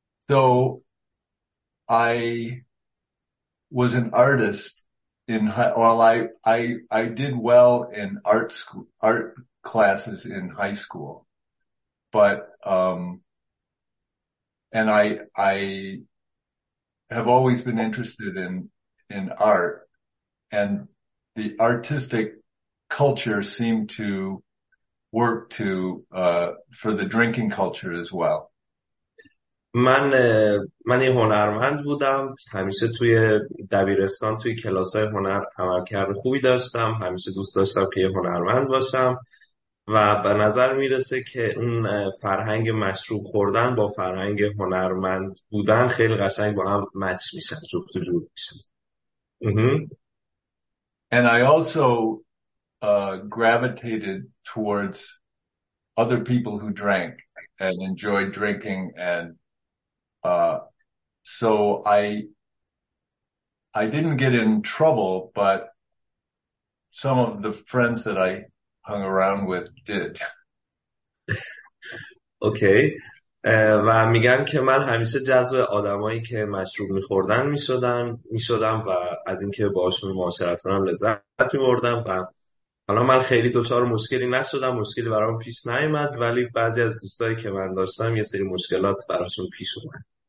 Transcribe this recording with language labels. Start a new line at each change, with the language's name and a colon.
English: So I was an artist in high, well, I did well in art school, art classes in high school, but and I have always been interested in art, and the artistic culture seemed to work to for the drinking culture as well.
Persian: من یه هنرمند بودم، همیشه توی دبیرستان توی کلاس‌های هنر عملکرد خوبی داشتم، همیشه دوست داشتم که یه هنرمند باشم و به نظر میرسه که اون فرهنگ مشروب خوردن با فرهنگ هنرمند بودن خیلی قشنگ با هم مچ میشن، جفت و جور میشن.
English: And I also gravitated towards other people who drank and enjoyed drinking and so I didn't get in trouble, but some of the friends that I hung around with did. Okay.
Persian: و میگن که من همیشه جذب آدمایی که مشروب میخوردن میشدم و از اینکه باهاشون معاشرت کنم لذت میبردم و حالا من خیلی دچار مشکلی نشدم، مشکلی برام پیش نیومد، ولی بعضی از دوستایی که من داشتم یه سری مشکلات براشون پیش اومد.